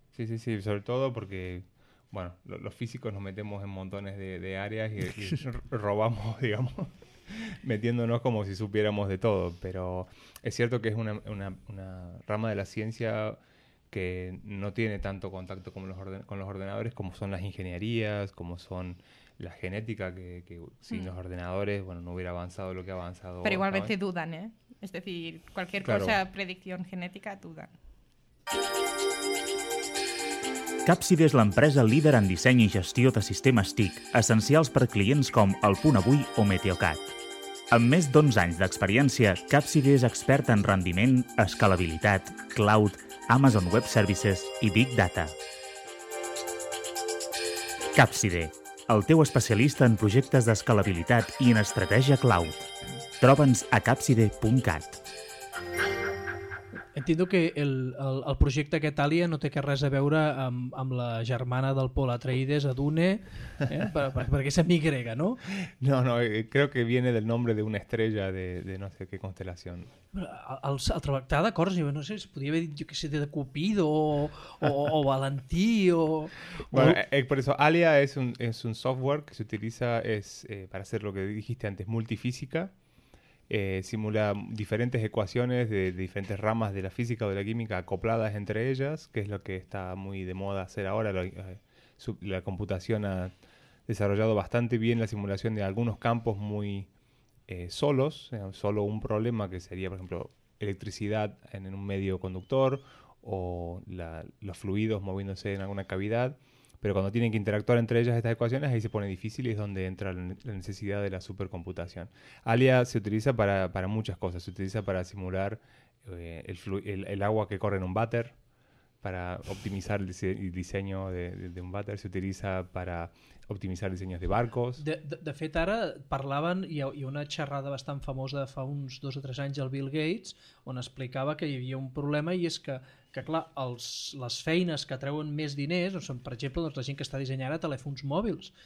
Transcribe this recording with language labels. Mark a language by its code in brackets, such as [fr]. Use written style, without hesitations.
[es] Sí, sobre todo porque, bueno, los físicos nos metemos en montones de áreas y robamos, digamos, metiéndonos como si supiéramos de todo, pero es cierto que es una rama de la ciencia que no tiene tanto contacto con los ordenadores, como son las ingenierías, como son la genética, que sin los ordenadores, bueno, no hubiera avanzado lo que ha avanzado. Pero igualmente dudan, ¿eh? Es decir, cualquier cosa, predicción genética, dudan. [ca] Capsid és l'empresa líder en disseny i gestió de sistemes TIC, essencials per clients com El Punt Avui o Meteocat. Amb més d'11 anys d'experiència, Capsid és expert en rendiment, escalabilitat, cloud, Amazon Web Services i Big Data. Capsid, el teu especialista en projectes d'escalabilitat i en estratègia cloud. Troba'ns a capsid.cat. [es] Entiendo [ca] que el projecte aquest Alia no té res a veure amb la germana del Pol Atreides, Adune, perquè és amb Y, no? [es] No, creo que viene del nombre de una estrella de no sé qué constelación. [ca] El tractar d'acords, no sé, es podia haver dit, jo què sé, de Cupido o Valentí o... [es] Bueno, por eso, Alia es un software que se utiliza para hacer lo que dijiste antes, multifísica. Simula diferentes ecuaciones de diferentes ramas de la física o de la química acopladas entre ellas, que es lo que está muy de moda hacer ahora. La computación ha desarrollado bastante bien la simulación de algunos campos muy solos, solo un problema, que sería, por ejemplo, electricidad en un medio conductor o los fluidos moviéndose en alguna cavidad. Pero cuando tienen que interactuar entre ellas estas ecuaciones, ahí se pone difícil y es donde entra la necesidad de la supercomputación. Alia se utiliza para muchas cosas. Se utiliza para simular el agua que corre en un váter, para optimizar el diseño de un váter. Se utiliza para optimizar diseños de barcos. [ca] De fet, ara parlaven, hi ha una xerrada bastant famosa fa uns 2 o 3 anys al Bill Gates, on explicava que hi havia un problema, i és que clar, les feines que treuen més diners, doncs, són, per exemple, doncs, la gent que està dissenyant ara telèfons mòbils.